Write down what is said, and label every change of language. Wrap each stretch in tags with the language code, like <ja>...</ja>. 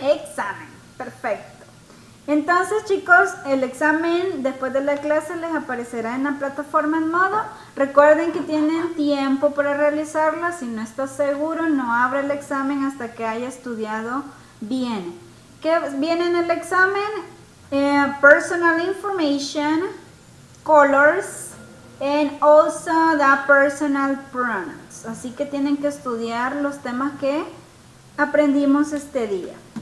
<es>Examen, perfecto. Entonces, chicos, el examen después de la clase les aparecerá en la plataforma en modo. Recuerden que tienen tiempo para realizarlo. Si no estás seguro, no abra el examen hasta que haya estudiado bien. ¿Qué viene en el examen?</es> <en>Personal information, colors, and also the personal pronouns.</en> <es>Así que tienen que estudiar los temas que aprendimos este día.</es>